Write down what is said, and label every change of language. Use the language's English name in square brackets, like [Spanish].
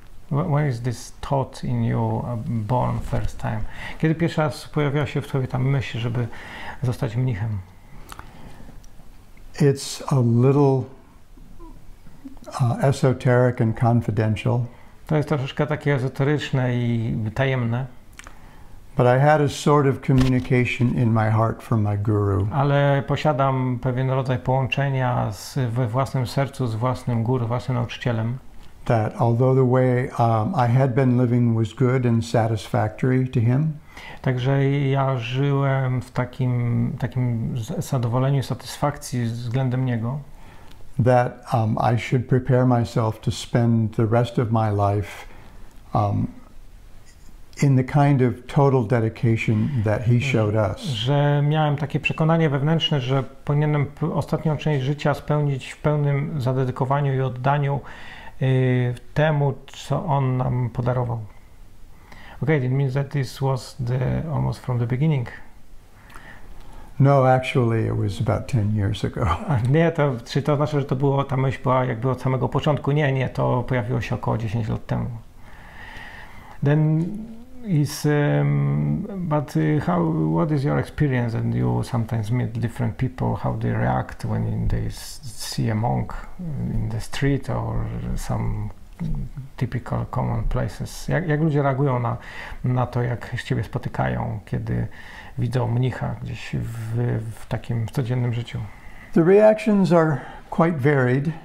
[English] When is this thought in you born first time? [Polish] Kiedy pierwszy raz pojawiła się w tobie ta myśl, żeby zostać mnichem? [English] It's a little esoteric and confidential. [Polish] To jest troszeczkę takie ezoteryczne i tajemne. [English] But I had a sort of communication in my heart from my guru. [Polish] Ale posiadam pewien rodzaj połączenia we własnym sercu z własnym guru, własnym nauczycielem. [English] That although the way I had been living was good and satisfactory to him. [Polish] Także ja żyłem w takim zadowoleniu, satysfakcji względem niego. [English] That I should prepare myself to spend the rest of my life in the kind of total dedication that he showed us. [Polish] Że miałem takie przekonanie wewnętrzne, że powinienem ostatnią część życia spełnić w pełnym zadedykowaniu i oddaniu temu, co on nam podarował. [English] Okay, it means that this was the almost from the beginning. No, actually, it was about 10 years ago. [Polish] Nie, to czy to znaczy, że to było ta myśl była jakby od samego początku? Nie, to pojawiło się około 10 lat temu. [English] Then is but how what is your experience? And you sometimes meet different people. How they react when they see a monk in the street or some typical common places. [Polish] Jak ludzie reagują na to, jak ciebie spotykają, kiedy widzą mnicha gdzieś w takim codziennym życiu? [English] The reactions are quite varied.